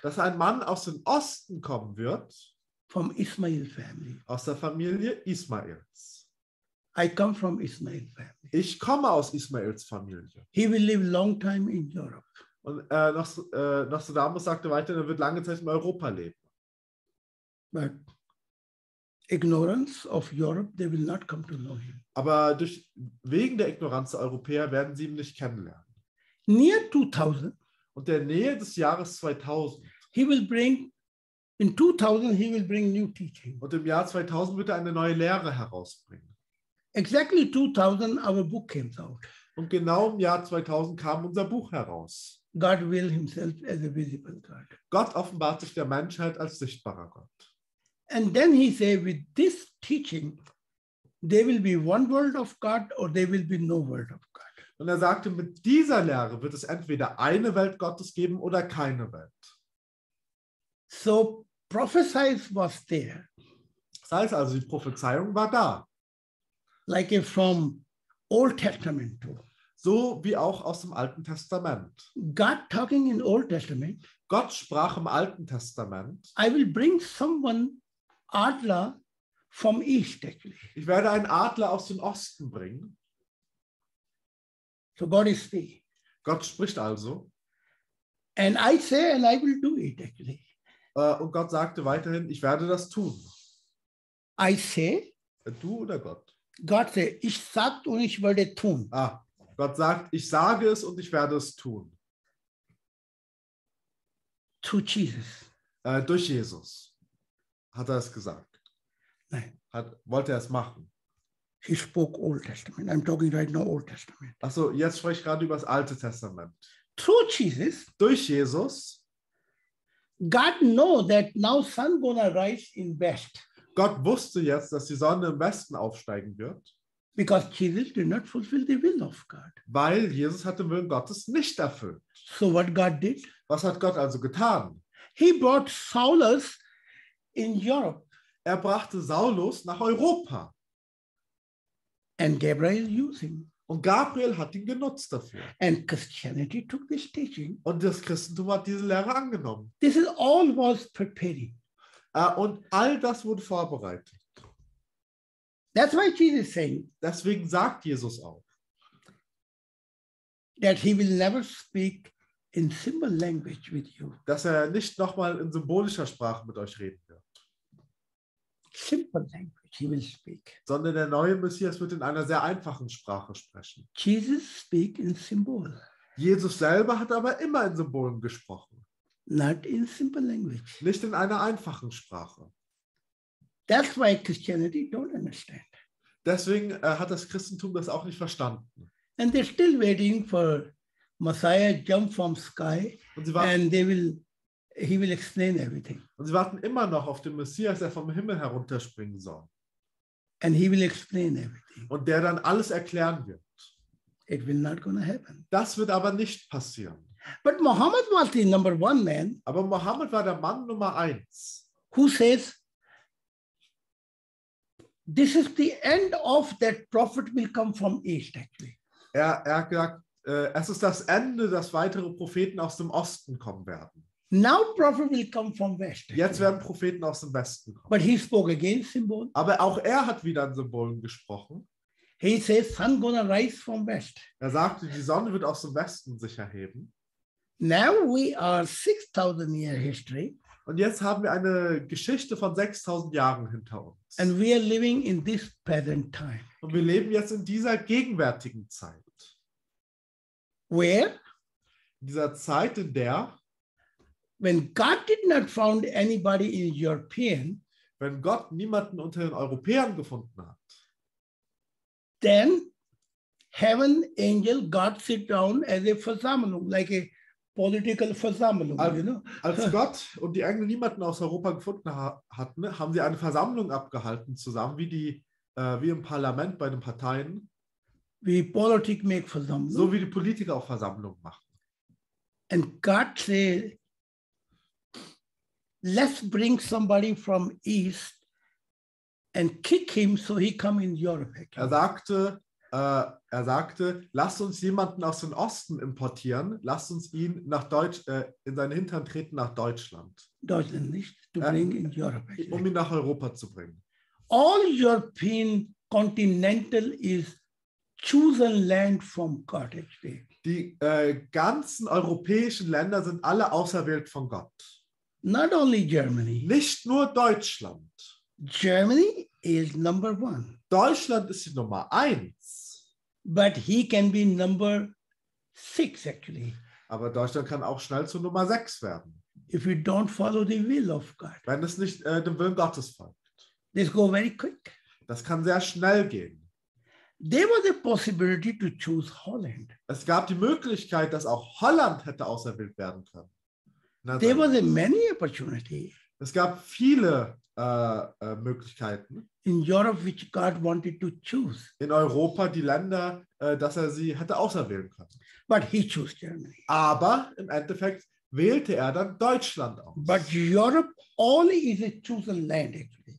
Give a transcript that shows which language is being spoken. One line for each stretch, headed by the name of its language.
German: dass ein Mann aus dem Osten kommen wird,
English: from Ismail family.
German: Aus der Familie Ismails.
English: I come from Ismail's family.
German: Ich komme aus Ismails Familie.
English: He will live long time in Europe.
German: Und Nostradamus sagte weiter, er wird lange Zeit in Europa leben.
English: But ignorance of Europe, they will not come to know him.
German: Aber wegen der Ignoranz der Europäer werden sie ihn nicht kennenlernen.
English: Near 2000.
German: Und der Nähe des Jahres 2000.
English: He will bring In 2000 he will bring new teaching.
German: Und im Jahr 2000 wird er eine neue Lehre herausbringen.
English: Exactly 2000 our book came out.
German: Und genau im Jahr 2000 kam unser Buch heraus.
English: God will himself as a visible God.
German: Gott offenbart sich der Menschheit als sichtbarer Gott.
English: And then he say with this teaching there will be one world of God or there will be no world of God.
German: Und er sagte, mit dieser Lehre wird es entweder eine Welt Gottes geben oder keine Welt.
English: So prophesies was there.
German: Das heißt also, die Prophezeiung war da.
English: Like from Old Testament.
German: So wie auch aus dem Alten Testament.
English: God talking in Old Testament.
German: Gott sprach im Alten Testament.
English: I will bring someone
German: Adler vom
English: East.
German: Ich werde einen Adler aus dem Osten bringen.
English: So God is speaking.
German: Gott spricht also.
English: And I say and I will do it actually.
German: Und Gott sagte weiterhin, ich werde das tun.
English: I say.
German: Du oder Gott? Gott sagt, ich sage und ich werde tun. Ah, Gott sagt, ich sage es und ich werde es tun.
English: To Jesus.
German: Durch Jesus hat er es gesagt. Nein. Wollte er es machen.
English: He spoke Old Testament. I'm talking right now Old Testament.
German: Achso, jetzt spreche ich gerade über das Alte Testament.
English: Through Jesus.
German: Durch Jesus.
English: God know that now sun gonna rise in west.
German: Gott wusste jetzt, dass die Sonne im Westen aufsteigen wird.
English: Because Jesus did not fulfill the will of God.
German: Weil Jesus hat den Willen Gottes nicht erfüllt.
English: So what God did?
German: Was hat Gott also getan?
English: He brought Saulus in Europe.
German: Er brachte Saulus nach Europa.
English: And Gabriel used him.
German: Und Gabriel hat ihn genutzt dafür.
English: And Christianity took this teaching.
German: Und das Christentum hat diese Lehre angenommen.
English: This is all was preparing.
German: Und all das wurde vorbereitet.
English: That's why Jesus saying.
German: Deswegen sagt Jesus auch,
English: that he will never speak in symbol language with you.
German: Dass er nicht nochmal in symbolischer Sprache mit euch reden wird.
English: Simple language he will speak.
German: Sondern der neue Messias wird in einer sehr einfachen Sprache sprechen.
English: Jesus speak in symbol.
German: Jesus selber hat aber immer in Symbolen gesprochen.
English: Not in simple language.
German: Nicht in einer einfachen Sprache.
English: That's why Christianity don't understand.
German: Deswegen hat das Christentum das auch nicht verstanden.
English: And they're still waiting for Messiah jump from sky and they will. He will explain everything.
German: Und sie warten immer noch auf den Messias, der vom Himmel herunterspringen soll.
English: And he will explain everything.
German: Und der dann alles erklären wird.
English: It will not gonna happen.
German: Das wird aber nicht passieren.
English: But Muhammad was the number one man.
German: Aber Muhammad war der Mann Nummer eins.
English: Who says, this is the end of that prophet will come from East actually.
German: Er sagt, es ist das Ende, dass weitere Propheten aus dem Osten kommen werden.
English: Now prophet will come from West.
German: Jetzt werden Propheten aus dem Westen kommen.
English: But he spoke again symbol.
German: Aber auch er hat wieder in Symbolen gesprochen.
English: He says sun gonna rise from West.
German: Er sagte, die Sonne wird aus dem Westen sich erheben.
English: Now we are 6000 year history.
German: Und jetzt haben wir eine Geschichte von 6000 Jahren hinter uns.
English: And we are living in this present time.
German: Und wir leben jetzt in dieser gegenwärtigen Zeit.
English: Where?
German: In dieser Zeit, in der
English: when God did not found anybody in European,
German: wenn Gott niemanden unter den Europäern gefunden hat,
English: then heaven angel God sit down as a Versammlung, like a political Versammlung. Als, you know?
German: Als Gott und die Engel niemanden aus Europa gefunden hatten, haben sie eine Versammlung abgehalten zusammen, wie im Parlament bei den Parteien. Wie Politik make Versammlung. So wie die Politiker auch Versammlungen machen.
English: And God said, let's bring somebody from East and kick him so he come in Europe.
German: Er sagte, lass uns jemanden aus dem Osten importieren, lass uns ihn nach in seinen Hintern treten nach Deutschland. Deutschland nicht,
English: to bring in Europe.
German: Um ihn nach Europa zu bringen.
English: All European continental is chosen land from God.
German: Die ganzen europäischen Länder sind alle auserwählt von Gott.
English: Not only Germany.
German: Nicht nur Deutschland.
English: Germany is number one.
German: Deutschland ist die Nummer eins.
English: But he can be number six actually.
German: Aber Deutschland kann auch schnell zur Nummer sechs werden.
English: if we don't follow the will of God.
German: Wenn es nicht dem Willen Gottes folgt.
English: This go very quick.
German: Das kann sehr schnell gehen.
English: There was a possibility to choose Holland.
German: Es gab die Möglichkeit, dass auch Holland hätte auserwählt werden können.
English: There was a many opportunity.
German: Es gab viele Möglichkeiten.
English: In Europe, which God wanted to choose.
German: In Europa, die Länder, dass er sie hätte auserwählen können.
English: But he chose Germany.
German: Aber im Endeffekt wählte er dann Deutschland aus.
English: But Europe only is a chosen land, actually.